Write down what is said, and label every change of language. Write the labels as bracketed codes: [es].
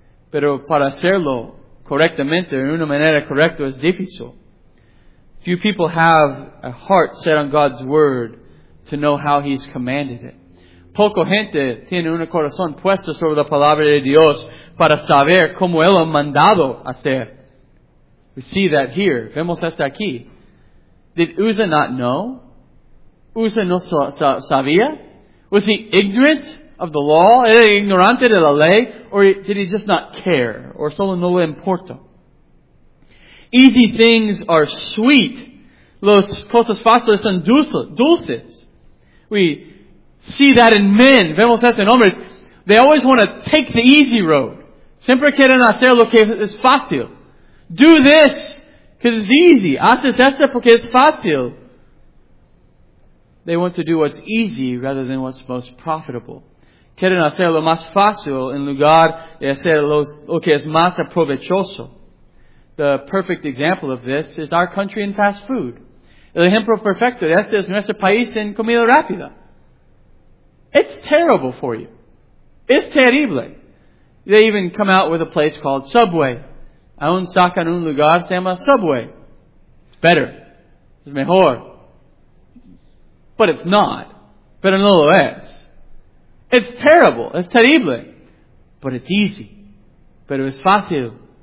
[es] Pero para hacerlo correctamente, en una manera correcta, es difícil. [en] Few people have a heart set on God's word to know how He's commanded it. [es] Poco gente tiene un corazón puesto sobre la palabra de Dios para saber cómo Él ha mandado hacer. [en] We see that here. [es] Vemos hasta aquí. [en] Did Uzzah not know? [es] Uzzah no sabía? [en] Was he ignorant of the law? [es] Era ignorante de la ley? [en] Or did he just not care? [es] Or solo no le importa? [en] Easy things are sweet. Los cosas fáciles son dulces. We see that in men. [es] Vemos esto en hombres. [en] They always want to take the easy road. [es] Siempre quieren hacer lo que es fácil. [en] Do this because it's easy. [es] Haces esto porque es fácil. [en] They want to do what's easy rather than what's most profitable. [es] Quieren hacer lo más fácil en lugar de hacer lo que es más aprovechoso. [en] The perfect example of this is our country in fast food. [es] El ejemplo perfecto de este es nuestro país en comida rápida. [en] It's terrible for you. It's terrible. They even come out with a place called Subway. [es] Aún sacan un lugar, se llama Subway. [en] It's better. It's [es] mejor. [en] But it's not. [es] Pero no lo es. [en] It's terrible. It's terrible. But it's easy. [es] Pero es fácil.